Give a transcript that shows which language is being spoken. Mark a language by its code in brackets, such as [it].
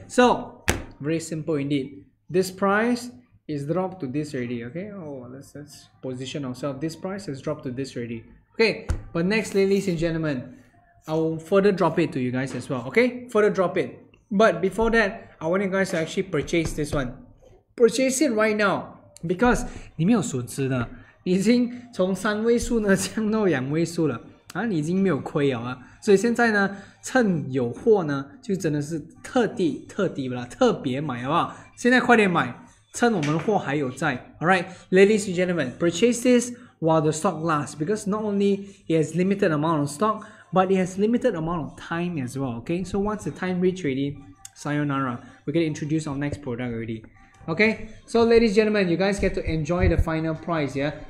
[en] So， very simple indeed， this price is dropped to this already， okay？ Oh， let's position ourselves， this price has dropped to this already， okay？ But next， ladies and gentlemen。 I will further drop it to you guys as well, okay? Further drop it. But before that, I want you guys to actually purchase this one. Purchase it right now. Because [zh] 你没有损失的，已经从三位数呢降到两位数了，啊，你已经没有亏了啊。所以现在呢，趁有货呢，就真的是特地了，特别买好不好？现在快点买，趁我们货还有在。 [en] Alright, ladies and gentlemen, purchase this while the stock lasts. Because not only it has limited amount of stock,But it has limited amount of time as well, okay? So once the time reach ready, sayonara. We're going to introduce our next product already. Okay? So ladies and gentlemen, you guys get to enjoy the final price, yeah?